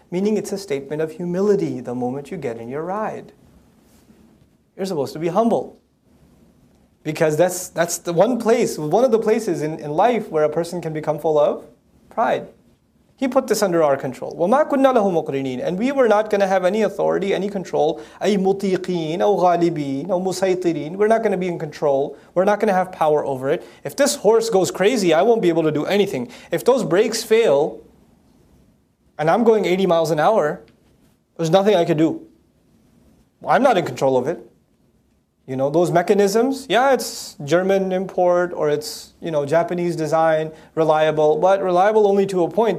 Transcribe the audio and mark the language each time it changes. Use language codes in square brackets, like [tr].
[en] Meaning it's a statement of humility the moment you get in your ride. You're supposed to be humble. Because that's the one place, one of the places in life where a person can become full of pride. He put this under our control. [ar] وَمَا كُنَّا لَهُ مُقْرِنِينَ. [en] And we were not going to have any authority, any control. [ar] أي مُطِيقين أو غالبين أو مُسَيْطِرين. [en] We're not going to be in control. We're not going to have power over it. If this horse goes crazy, I won't be able to do anything. If those brakes fail, and I'm going 80 miles an hour, there's nothing I can do. Well, I'm not in control of it. You know, those mechanisms, yeah, it's German import or it's, you know, Japanese design, reliable, but reliable only to a point.